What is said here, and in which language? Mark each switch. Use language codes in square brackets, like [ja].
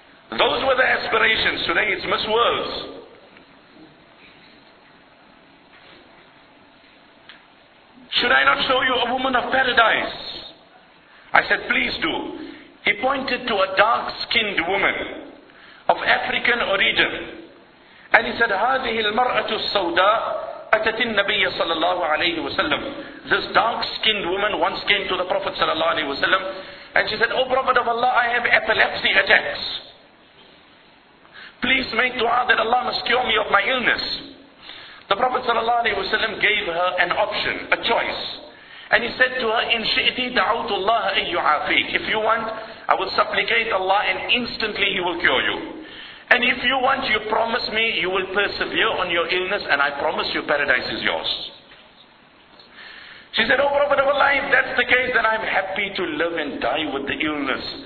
[en] Those were the aspirations. Today it's Miss Worlds. Should I not show you a woman of paradise? I said, please do. He pointed to a dark-skinned woman of African origin. And he said, [ar] هَذِهِ الْمَرْأَةُ السَّوْدَىٰ أَتَتِ النَّبِيَّ صَلَى اللَّهُ عَلَيْهِ وَسَلَّمُ. [en] This dark-skinned woman once came to the Prophet صلى الله عليه وسلم, and she said, O Prophet of Allah, I have epilepsy attacks. Please make dua that Allah must cure me of my illness. The Prophet ﷺ gave her an option, a choice. And he said to her, [ar] إِن شِئْتِ دَعَوْتُ اللَّهَ أَن يُعَافِيكَ. [en] If you want, I will supplicate Allah and instantly He will cure you. And if you want, you promise me you will persevere on your illness and I promise you paradise is yours. She said, O Prophet of Allah, if that's the case, then I'm happy to live and die with the illness.